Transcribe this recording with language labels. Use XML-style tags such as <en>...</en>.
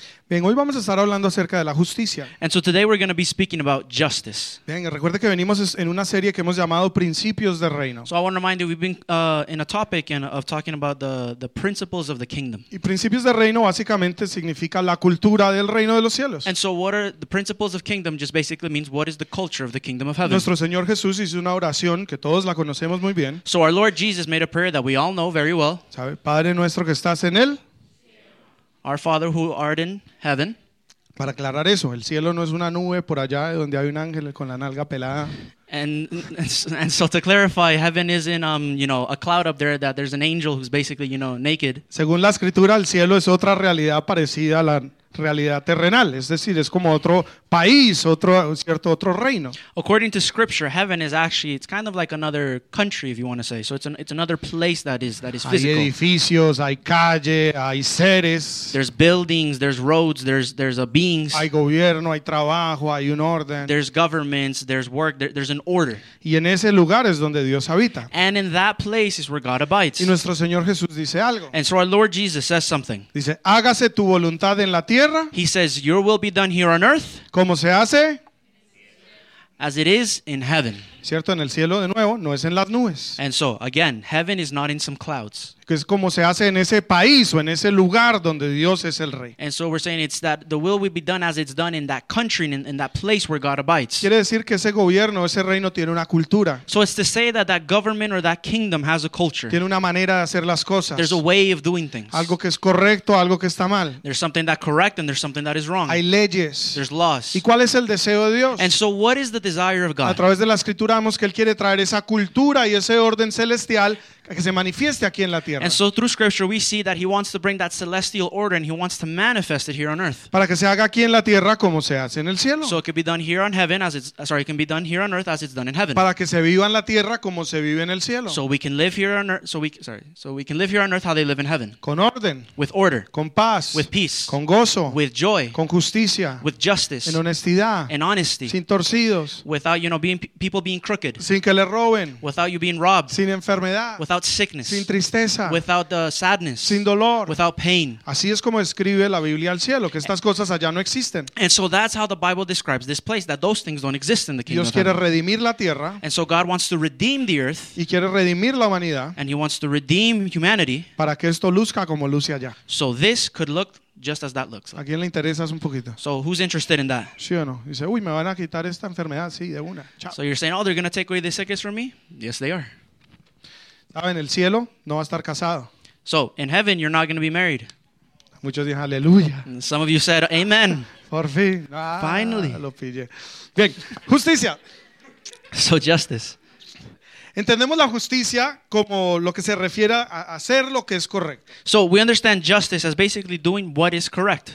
<es>Bien, hoy vamos a estar hablando acerca de la justicia.</es> <en>And so today we're going to be speaking about justice.</en> <es>Bien, recuerde que venimos en una serie que hemos llamado Principios del Reino.</es> <en>So I want to remind you, we've been in a topic of talking about the principles of the kingdom.</en> <es>Y Principios del Reino básicamente significa la cultura del reino de los cielos.</es> <en>And so what are the principles of kingdom just basically means what is the culture of the kingdom of heaven.</en> <es>Nuestro Señor Jesús hizo una oración que todos la conocemos muy bien.</es> <en>So our Lord Jesus made a prayer that we all know very well.</en> <es>¿Sabe? Padre nuestro que estás en él.</es> <en>Our Father who art in heaven.</en> <es>Para aclarar eso, el cielo no es una nube por allá donde hay un ángel con la nalga pelada.</es> <en>And so to clarify, heaven isn't you know, a cloud up there that there's an angel who's basically, you know, naked.</en> <es>Según la escritura, el cielo es otra realidad parecida a la realidad terrenal, es decir, es como otro país, otro cierto otro reino.</es> <en>According to scripture, heaven is actually it's kind of like another country, if you want to say. So it's another place that is physical.</en> <es>Hay edificios, hay calle, hay seres.</es> <en>There's buildings, there's roads, there's a beings.</en> <es>Hay gobierno, hay trabajo, hay un orden.</es> <en>There's governments, there's work, there's an order.</en> <es>Y en ese lugar es donde Dios habita.</es> <en>And in that place is where God abides.</en> <es>Y nuestro Señor Jesús dice algo.</es> <en>And so our Lord Jesus says something.</en> <es>Dice, hágase tu voluntad en la tierra.</es> <en>He says, your will be done here on earth.</en> <es>¿Cómo se hace?</es> <en>As it is in heaven.</en> <es>Cierto, en el cielo de nuevo, no es en las nubes.</es> <en>And so, again, heaven is not in some clouds.</en> <es>Que es como se hace en ese país o en ese lugar donde Dios es el rey.</es> <en>And so we're saying it's that the will be done as it's done in that country and in that place where God abides.</en> <es>Quiere decir que ese gobierno, ese reino tiene una cultura.</es> <en>So it's to say that government or that kingdom has a culture.</en> <es>Tiene una manera de hacer las cosas.</es> <en>There's a way of doing things.</en> <es>Algo que es correcto, algo que está mal.</es> <en>There's something that's correct and there's something that is wrong.</en> <es>Hay leyes.</es> <en>There's laws.</en> <es>¿Y cuál es el deseo de Dios?</es> <en>And so what is the desire of God?</en> <es>A través de la escritura que Él quiere traer esa cultura y ese orden celestial que se manifieste aquí en la tierra.</es> <en>And so through scripture we see that he wants to bring that celestial order and he wants to manifest it here on earth.</en> <es>Para que se haga aquí en la tierra como se hace en el cielo.</es> <en>So it can be done here on heaven as it's sorry, it can be done here on earth as it's done in heaven.</en> <es>Para que se viva en la tierra como se vive en el cielo.</es> <en>So we can live here on earth so we can live here on earth how they live in heaven.</en> <es>Con orden.</es> <en>With order.</en> <es>Con paz.</es> <en>With peace.</en> <es>Con gozo.</es> <en>With joy.</en> <es>Con justicia.</es> <en>With justice.</en> <es>En honestidad.</es> <en>In honesty.</en> <es>Sin torcidos.</es> <en>Without, you know, being people being crooked.</en> <es>Sin que le roben.</es> <en>Without you being robbed.</en> <es>Sin enfermedad.</es> <en>Without sickness,</en> <es>sin tristeza,</es> <en>without the sadness,</en> <es>sin dolor,</es> <en>without pain.</en> <es>Así es como describe la Biblia al cielo, que estas cosas allá no existen.</es> <en>And so that's how the Bible describes this place, that those things don't exist in the kingdom.</en> <es>Dios quiere redimir la tierra.</es> <en>And so God wants to redeem the earth.</en> <es>Y quiere redimir la humanidad.</es> <en>And he wants to redeem humanity.</en> <es>Para que esto luzca como luce allá.</es> <en>So this could look just as that looks.</en> <es>¿A quién le interesa un poquito?</es> <en>So who's interested in that?</en> <es>Sí o no. Dice, uy, me van a quitar esta enfermedad, sí, de una. Chao.</es> <en>So you're saying, oh, they're going to take away the sickness from me? Yes, they are.</en> <es>En el cielo no va a estar casado.</es> <en>So, in heaven, you're not going to be married.</en> <es>Muchos dicen, aleluya.</es> <en>Some of you said, amen.</en> <es>Por fin.</es> <en>Ah, finally.</en> <es>Lo pillé. Bien, justicia.</es> <en>So, justice.</en> <es>Entendemos la justicia como lo que se refiere a hacer lo que es correcto.</es> <en>So, we understand justice as basically doing what is correct.</en>